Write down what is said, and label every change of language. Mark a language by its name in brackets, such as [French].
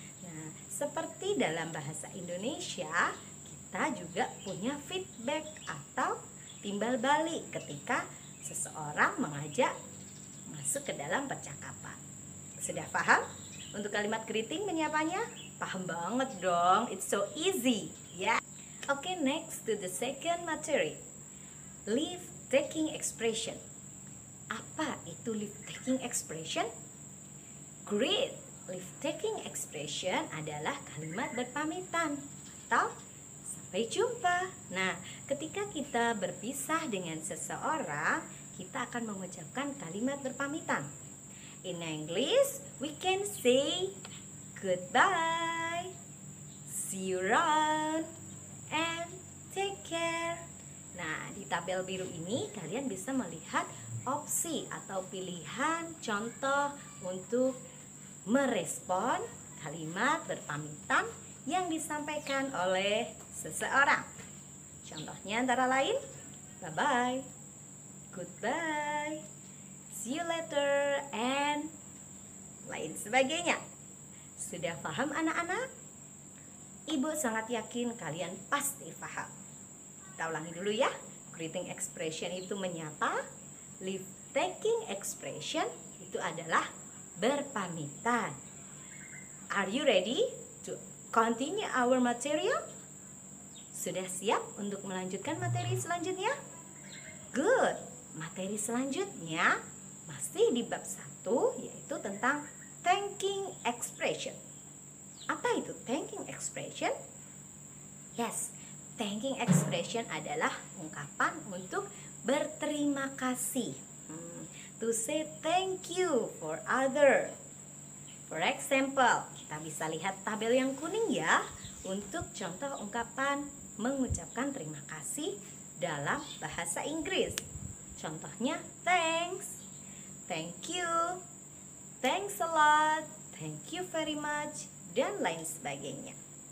[Indonesian] Nah, seperti dalam bahasa Indonesia, kita juga punya feedback atau timbal balik ketika seseorang mengajak masuk ke dalam percakapan. Sudah paham? Untuk kalimat greeting menyapanya? Paham banget dong, [English] it's so easy. Ya. Yeah. Okay, next to the second materi. Leave taking expression. [Indonesian] Apa itu leave taking expression? Greet. Leave taking expression adalah kalimat berpamitan atau sampai jumpa. Nah, ketika kita berpisah dengan seseorang, kita akan mengucapkan kalimat berpamitan. [English] In English, we can say goodbye, see you around, and take care. [Indonesian] Nah, di tabel biru ini, kalian bisa melihat opsi atau pilihan contoh untuk merespon kalimat berpamitan yang disampaikan oleh seseorang. Contohnya antara lain, [English] bye-bye, goodbye, see you later, [Indonesian] and lain sebagainya. Sudah paham anak-anak? Ibu sangat yakin kalian pasti paham. Kita ulangi dulu ya. Greeting expression itu menyapa. Leave taking expression itu adalah berpamitan. [English] Are you ready to continue our material? [Indonesian] Sudah siap untuk melanjutkan materi selanjutnya? [English] Good! [Indonesian] Materi selanjutnya masih di bab 1, yaitu tentang thanking expression. Apa itu thanking expression? [English] Yes, [Indonesian] thanking expression adalah ungkapan untuk berterima kasih. [English] to say thank you for other. For example, [Indonesian] kita bisa lihat tabel yang kuning ya untuk contoh ungkapan mengucapkan terima kasih dalam bahasa Inggris. Contohnya, [English] thanks, thank you, thanks a lot, thank you very much, [Indonesian] dan lain sebagainya.